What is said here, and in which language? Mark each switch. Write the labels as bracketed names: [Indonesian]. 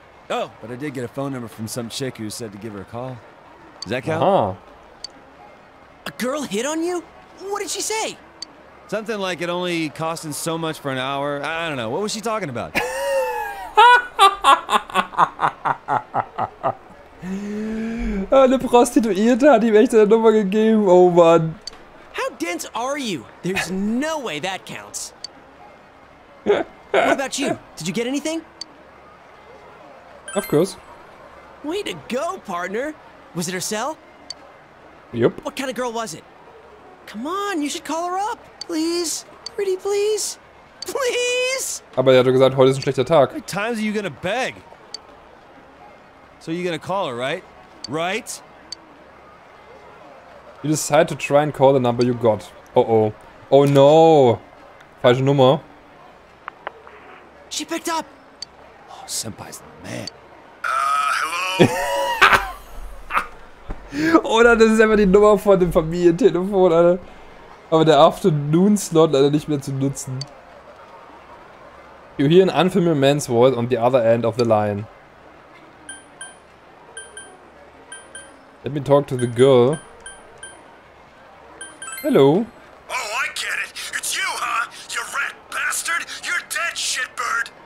[English] Oh, but I did get a phone number from some chick who said to give her a call. Does that count? Uh-huh. A girl hit on you? What did she say? Something like it only costing so much for an hour. I don't know. What was she talking about? [German] Eine Prostituierte hat ihm echt seine Nummer gegeben. Oh Mann. [English] How dense are you? There's no way that counts. What about you? Did you get anything? Of course. Way to go, partner. Was it her cell? Yep. What kind of girl was it? Come on, you should call her up. Please. Pretty please. Please. [German] Aber er hat doch gesagt, heute ist ein schlechter Tag. [English] How many times are you gonna beg? So you're gonna call her, right? Right? You decide to try and call the number you got. Uh oh. Oh no. [German] Falsche Nummer. [English] She picked up. Oh, Senpai's the man. Hello? [German] Oder das ist einfach die Nummer von dem Familientelefon, Alter. Aber der Afternoon-Slot leider nicht mehr zu nutzen. [English] You hear an unfamiliar man's voice on the other end of the line. Let me talk to the girl. Hello. Oh, I get it. It's you, huh? You rat bastard. You're dead, shitbird.